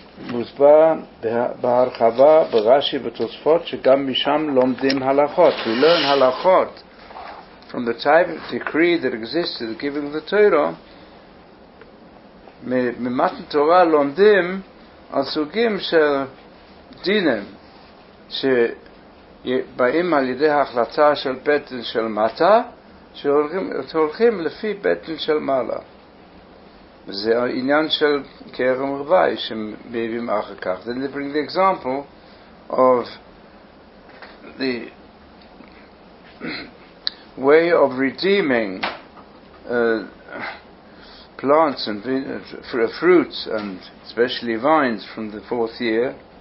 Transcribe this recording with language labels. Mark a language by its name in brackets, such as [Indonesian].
[Hebrew] מוסבר בהרחבה ברש"י ותוספות שגם משם לומדים הלכות. [English] We learn halachot from the type of decree that existed the giving of the Torah. [Hebrew] ממתן תורה לומדים על סוגים של דינים שבאים על ידי ההחלטה של בטן של מטה, שהולכים לפי בטן של מעלה. זה העניין של קרם רווי שמביאים אחר כך. [English] Then they bring the example of the way of redeeming plants and fruits and especially vines from the fourth year.